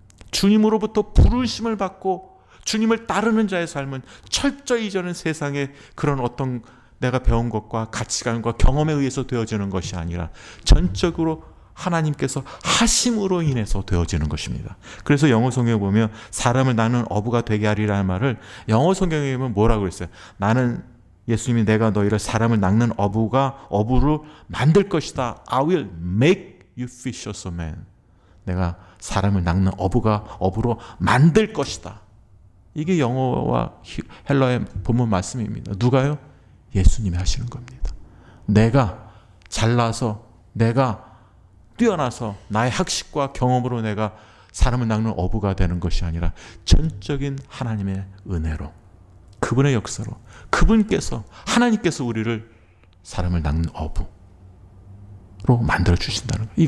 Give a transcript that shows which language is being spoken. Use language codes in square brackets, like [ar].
[ko] 주님으로부터 부르심을 받고 주님을 따르는 자의 삶은 철저히 이제는 세상에 그런 어떤 내가 배운 것과 가치관과 경험에 의해서 되어지는 것이 아니라 전적으로 하나님께서 하심으로 인해서 되어지는 것입니다. 그래서 영어성경에 보면 사람을 나는 어부가 되게 하리라는 말을 영어성경에 보면 뭐라고 그랬어요? 나는 예수님이 내가 너희를 사람을 낚는 어부로 만들 것이다. [en] I will make you fishers of men. [ko] 내가 사람을 낚는 어부로 만들 것이다. 이게 영어와 헬라의 본문 말씀입니다. 누가요? 예수님이 하시는 겁니다. 내가 잘나서 내가 뛰어나서 나의 학식과 경험으로 내가 사람을 낚는 어부가 되는 것이 아니라 전적인 하나님의 은혜로 그분의 역사로 그분께서 하나님께서 우리를 사람을 낚는 어부로 만들어주신다는 것.